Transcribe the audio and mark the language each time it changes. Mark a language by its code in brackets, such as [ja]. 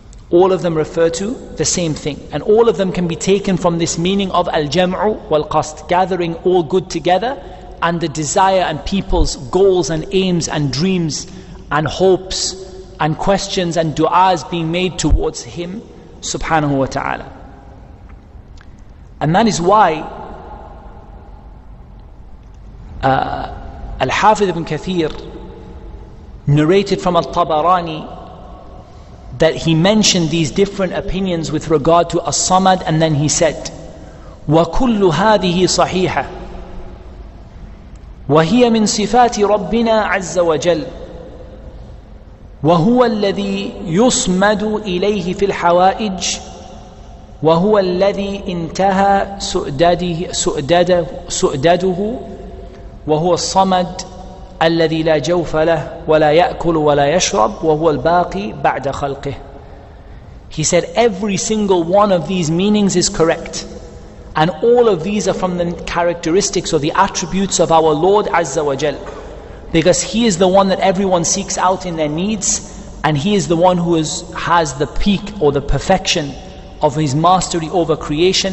[en] All of them refer to the same thing. And all of them can be taken from this meaning of Al-Jam'u wal-Qasd, gathering all good together, and the desire and people's goals and aims and dreams and hopes and questions and du'as being made towards him subhanahu wa ta'ala. And that is why Al-Hafidh ibn Kathir narrated from Al-Tabarani that he mentioned these different opinions with regard to As-Samad, and then he said, [ar] وَكُلُّ هَذِهِ صَحِيحَ وَهِيَ مِنْ صِفَاتِ رَبِّنَا عَزَّ وَجَلْ وَهُوَ الَّذِي يُصْمَدُ إِلَيْهِ فِي الْحَوَائِجِ وَهُوَ الَّذِي انْتَهَى سُؤْدَدُهُ وَهُوَ الصَّمَدُ الَّذِي لَا جَوْفَ لَهُ وَلَا يَأْكُلُ وَلَا يَشْرَبُ وَهُوَ الْبَاقِي بَعْدَ خَلْقِهِ. [en] He said every single one of these meanings is correct, and all of these are from the characteristics or the attributes of our Lord Azza wa Jal, because He is the one that everyone seeks out in their needs, and He is the one who has the peak or the perfection of His mastery over creation.